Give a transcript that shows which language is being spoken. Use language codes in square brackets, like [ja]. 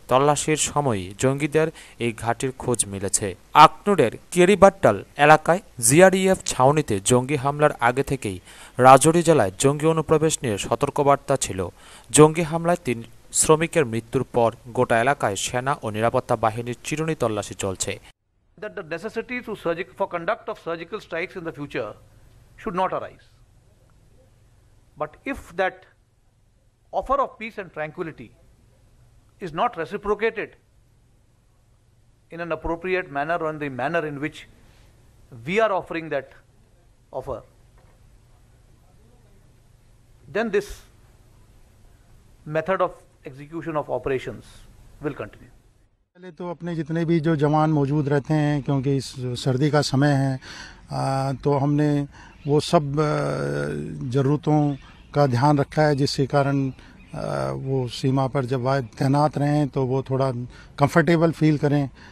[bn] তল্লাশির সময় জঙ্গিদের এই ঘাঁটির খোঁজ মিলেছে। আকনুরের কেরিবাট্টাল এলাকায় GRDF ছাউনিতে জঙ্গি হামলার আগে থেকেই রাজৌরি জেলায় জঙ্গি অনুপ্রবেশ নিয়ে সতর্কবার্তা ছিল। জঙ্গি হামলায় 3 শ্রমিকের মৃত্যুর পর গোটা এলাকায় সেনা ও নিরাপত্তা বাহিনীর চিরুনি তল্লাশি চলছে। [en] That the necessity to surgical for conduct of surgical strikes in the future should not arise. But if that offer of peace and tranquility is not reciprocated in an appropriate manner or in the manner in which we are offering that offer, then this method of execution of operations will continue. [hi] पहले तो अपने जितने भी जो जवान मौजूद रहते हैं, क्योंकि इस सर्दी का समय है, तो हमने वो सब ज़रूरतों का ध्यान रखा है, जिसके कारण वो सीमा पर जब वह तैनात रहें तो वो थोड़ा कंफर्टेबल फील करें।